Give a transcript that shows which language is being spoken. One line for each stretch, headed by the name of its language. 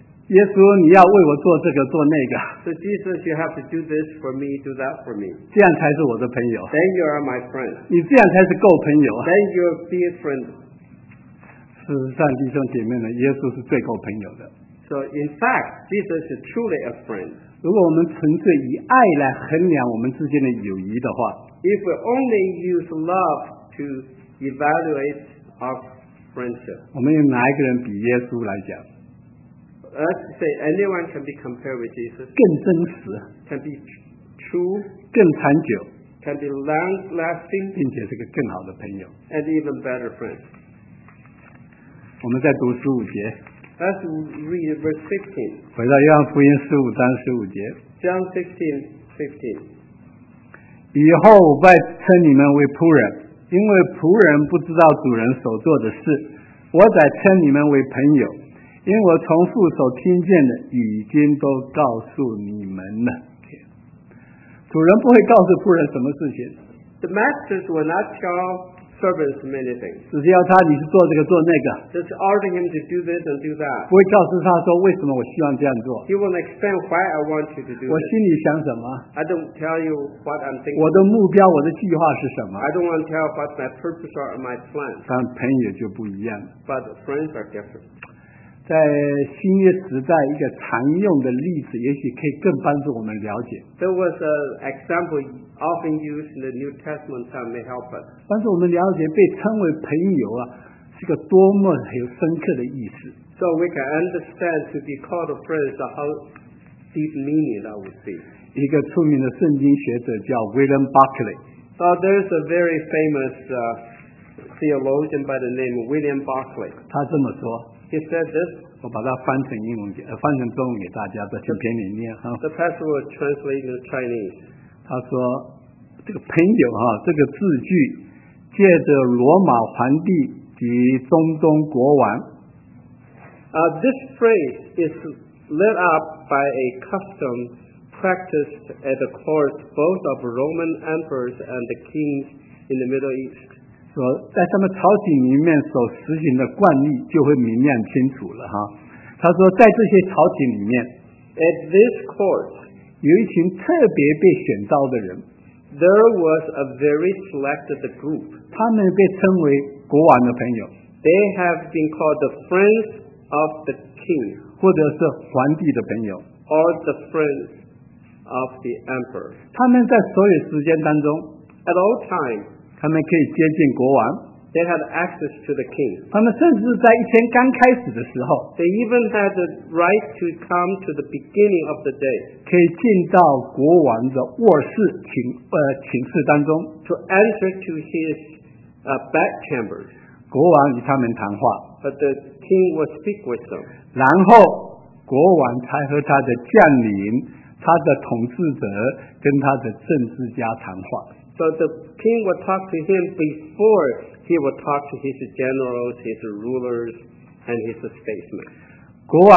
Chinese: 耶稣你要为我做这个做那个。
English: So Jesus, you have to do this for me, do that for me.
Chinese: 这样才是我的朋友。
English: Then you are my friend.
Chinese: 你这样才是够朋友。
English: Then you are be a friend.
Chinese: 事实上弟兄姐妹们，耶稣是最够朋友的。
English: So in fact, Jesus is truly a friend.
Chinese: 如果我们纯粹以爱来衡量我们之间的友谊的话，
English: If we only use love to evaluate our friendship,
Chinese: 我们用哪一个人比耶稣来讲？
English: Let's say anyone can be compared with Jesus.
Chinese: 更真实，
English: Can be true.
Chinese: 更长久，
English: Can be long-lasting.
Chinese: 并且是个更好的朋友，
English: And even better friends.
Chinese: 我们再读十五节。
English: Let's read verse 16.
Chinese: 回到约翰福音十五章十五节。
English: John 16:15.
Chinese: 以后我再称你们为仆人，因为仆人不知道主人所做的事。我再称你们为朋友，因为我从父所听见的已经都告诉你们了。主人不会告诉仆人什么事情。
English: The masters will not tell. Servants many things.
Chinese: 只是要他你是做这个做那个。
English: Just ordering him to do this and do that.
Chinese: 不会告诉他说为什么我希望这样做。
English: He won't explain why I want you to do this.
Chinese: 我心里想什么。
English: I don't tell you what I'm thinking.
Chinese: 我的目标我的计划是什么。
English: I don't want to tell what my purpose or my plan.
Chinese: 但朋友就不一样了。
English: But friends are different.
Chinese: 在新约时代一个常用的例子也许可以更帮助我们了解。
English: There was an example often used in the New Testament that may help us.
Chinese: 帮助我们了解被称为朋友啊是个多么很深刻的意思。
English: So we can understand to be called a friend how deep meaning that would be.
Chinese: 一个出名的圣经学者叫 William Barclay.
English: So there's a very famous theologian by the name of William Barclay.
Chinese: 他这么说。
English: He said this.
Chinese: 我把它翻成中文给大家在圣篇里面。
English: The pastor will translate in Chinese.
Chinese: 他说这个朋友这个字句借着罗马皇帝及中东国王。
English: This phrase is led up by a custom practiced at the court both of Roman emperors and the kings in the Middle East.
Chinese: 说在他们朝廷里面所实行的惯例就会明亮清楚了。他说在这些朝廷里面
English: At this court
Chinese: 有一群特别被选召的人,
English: There was a very selected group.
Chinese: 他们被称为国王的朋友,
English: They have been called the friends of the king,
Chinese: 或者是皇帝的朋友,
English: or the friends of the emperor.
Chinese: 他们在所有时间当中,
English: At all times,
Chinese: 他们可以接近国王,
English: They had access to the king.
Chinese: 他们甚至在一天刚开始的时候,
English: They even had the right to come to the beginning of the day.
Chinese: 可以进到国王的卧室寝室当中,
English: To enter to his bedchamber.
Chinese: 国王与他们谈话,
English: But the king would speak with them.
Chinese: 然后国王才和他的将领、他的统治者跟他的政治家谈话。
English: So the king would talk to him before he would talk to his generals, his rulers, and his statesmen.